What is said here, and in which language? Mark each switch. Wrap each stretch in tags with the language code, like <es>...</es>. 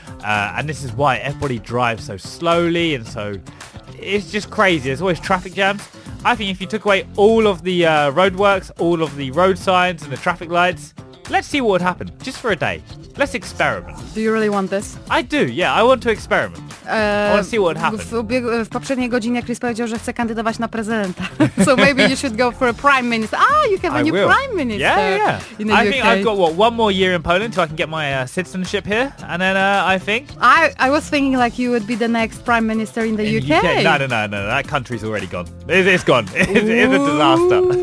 <en>And this is why everybody drives so slowly and so... It's just crazy. There's always traffic jams. I think if you took away all of the roadworks, all of the road signs and the traffic lights, let's see what would happen just for a day. Let's experiment. Do you really want this? I do, yeah. I want to experiment. I want to see what happens.</en> <pl>W poprzedniej godzinie Chris powiedział, że chce kandydować na prezydenta.</pl> <en>So maybe you should go for a prime minister. Ah, you have a new prime minister. Yeah, yeah. I think I've got, one more year in Poland so I can get my citizenship here. And then I was thinking like you would be the next prime minister in the UK. No. That country's already gone. It's gone. It's a disaster.</en>